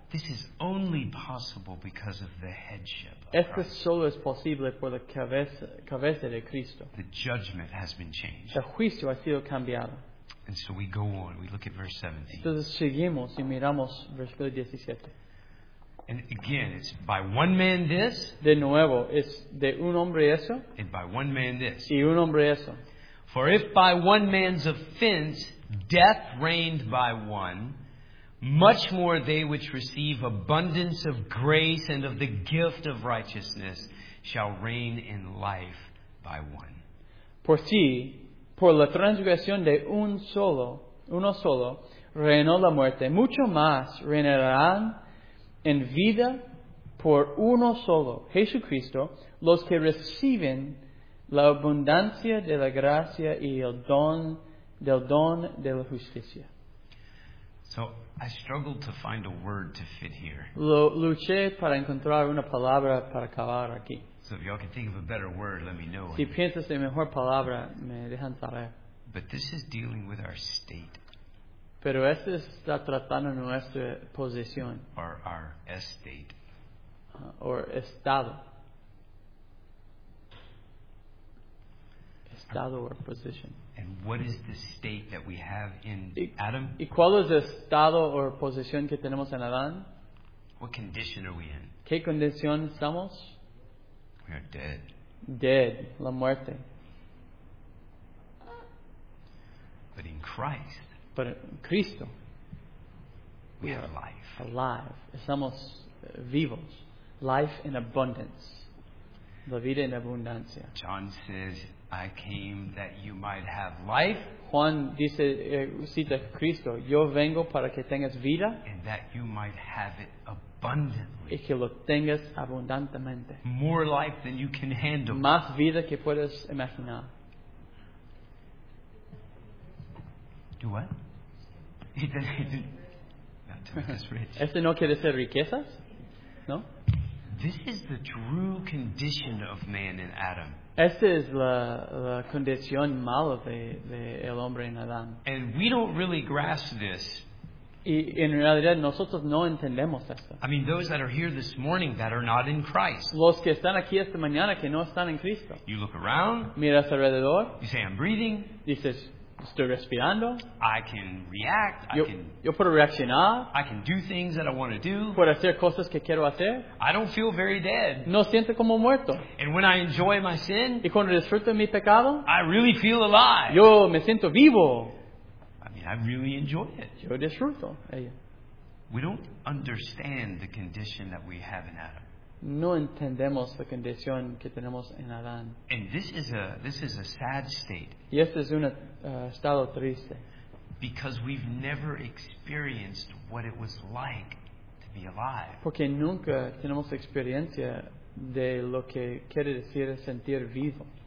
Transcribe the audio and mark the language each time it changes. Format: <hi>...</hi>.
<en>This is only possible because of the headship of</en> <es>Esto</es> <en>Christ.</en> <es>Solo es posible por la cabeza de Cristo.</es> <en>The judgment has been changed.</en> <es>El juicio ha sido cambiado.</es> <en>And so we go on. We look at verse 17.</en> <es>Entonces seguimos y miramos versículo 17.</es> <en>And again, it's by one man this.</en> <es>De nuevo, es de un hombre eso.</es> <en>And by one man this.</en> <es>Y un hombre eso.</es> <en>For if by one man's offense death reigned by one, much more they which receive abundance of grace and of the gift of righteousness shall reign in life by one.</en> <es>Por si, por la transgresión de uno solo, reinó la muerte, mucho más reinarán en vida por uno solo, Jesucristo, los que reciben la abundancia de la gracia y el don de la justicia.</es> <en>So, I struggled to find a word to fit here.</en> <es>Luché para encontrar una palabra para acabar aquí.</es> <en>So, if y'all can think of a better word, let me know.</en> <es>Si piensas en mejor palabra, me dejan saber.</es> <en>But this is dealing with our state.</en> <es>Pero este está tratando nuestra posición.</es> <en>Or our estate. Or</en> <es>estado.</es> <en>Or position. And what is the state that we have in Adam?</en> <es>¿Y cuál es el estado o posición que tenemos en Adán?</es> <en>What condition are we in?</en> <es>¿Qué condición estamos?</es> <en>We are dead. Dead,</en> <es>la muerte.</es> <en>But in Christ. But in Cristo. We are alive. Alive.</en> <es>Estamos vivos.</es> <en>Life in abundance.</en> <es>La vida en abundancia.</es> <en>John says, I came that you might have life.</en> <es>Juan dice, cita Cristo, yo vengo para que tengas vida.</es> <en>And that you might have it abundantly.</en> <es>Y que lo tengas abundantemente.</es> <en>More life than you can handle.</en> <es>Más vida que puedes imaginar.</es> <en>Do what? Not to make us rich.</en> <es>¿Este no quiere ser riquezas? No.</es> <en>This is the true condition of man in Adam.</en> <es>Esta es la condición mala de el hombre en Adán.</es> <en>And we don't really grasp this.</en> <es>Y en realidad nosotros no entendemos esto.</es> <en>I mean, those that are here this morning that are not in Christ.</en> <es>Los que están aquí esta mañana que no están en Cristo.</es> <en>You look around.</en> <es>Miras alrededor.</es> <en>You say, I'm breathing.</en> <es>Dices, estoy respirando.</es> <en>I can react.</en> <es>Yo puedo reaccionar.</es> <en>I can do things that I want to do.</en> <es>Puedo hacer cosas que quiero hacer.</es> <en>I don't feel very dead.</en> <es>No siento como muerto.</es> <en>And when I enjoy my sin,</en> <es>y cuando disfruto mi pecado,</es> <en>I really feel alive.</en> <es>Yo me siento vivo.</es> <en>I mean, I really enjoy it.</en> <es>Yo disfruto ella.</es> <en>We don't understand the condition that we have in Adam.</en> <es>No entendemos la condición que tenemos en Adán.</es> <en>And this is a sad state.</en> <es>Y este es un estado triste.</es> <en>Because we've never experienced what it was like to be alive.</en> <es>Porque nunca tenemos experiencia de lo que quiere decir sentir vivo.</es>